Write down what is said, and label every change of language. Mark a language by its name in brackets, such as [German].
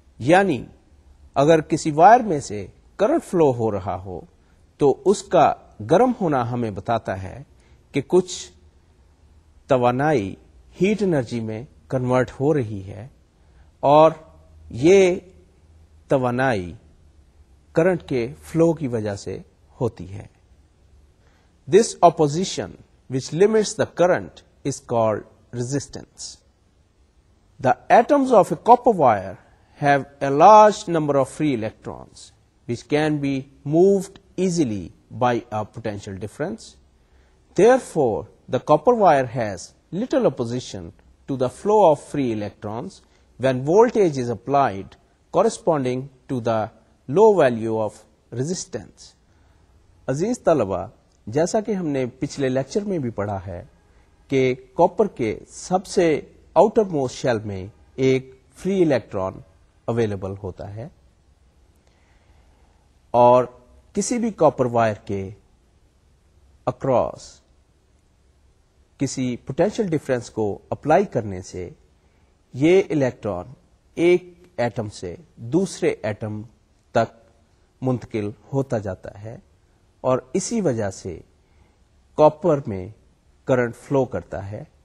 [Urdu] یعنی اگر کسی وائر میں سے کرنٹ فلو ہو رہا ہو تو اس کا گرم ہونا ہمیں بتاتا ہے کہ کچھ توانائی ہیٹ انرجی میں کنورٹ ہو رہی ہے, اور یہ توانائی کرنٹ کے فلو کی وجہ سے ہوتی ہے. [English] This opposition which limits the current is called resistance. The atoms of a copper wire have a large number of free electrons which can be moved easily by a potential difference. Therefore the copper wire has little opposition to the flow of free electrons when voltage is applied corresponding to the low value of resistance. [Urdu] عزیز طلبہ, جیسا کہ ہم نے پچھلے lecture میں بھی پڑھا ہے کہ کاپر کے سب سے آؤٹر موسٹ شیل میں ایک فری الیکٹران اویلیبل ہوتا ہے, اور کسی بھی کاپر وائر کے اکراس کسی پوٹینشیل ڈفرینس کو اپلائی کرنے سے یہ الیکٹران ایک ایٹم سے دوسرے ایٹم تک منتقل ہوتا جاتا ہے, اور اسی وجہ سے کاپر میں کرنٹ فلو کرتا ہے.